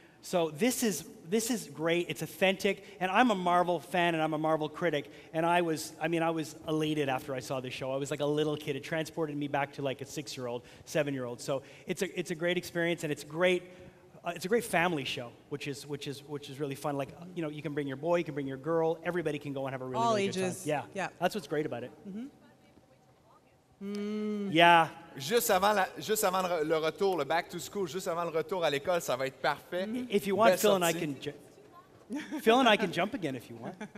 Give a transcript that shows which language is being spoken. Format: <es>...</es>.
<en>So this is great, it's authentic, and I'm a Marvel fan and I'm a Marvel critic, and I was elated after I saw this show. I was like a little kid. It transported me back to like a six-year-old, seven-year-old. So it's a great experience, and it's a great family show, which is really fun. Like, you know, you can bring your boy, you can bring your girl, everybody can go and have a really, all really ages. Good time. Yeah. That's what's great about it. Mm-hmm. Yeah.</en> <fr>Juste avant le retour, le</fr> <en>back to school,</en> <fr>juste avant le retour à l'école, ça va être parfait. Mm-hmm.</fr> <en>If you want, Phil and I can jump again if you want.</en>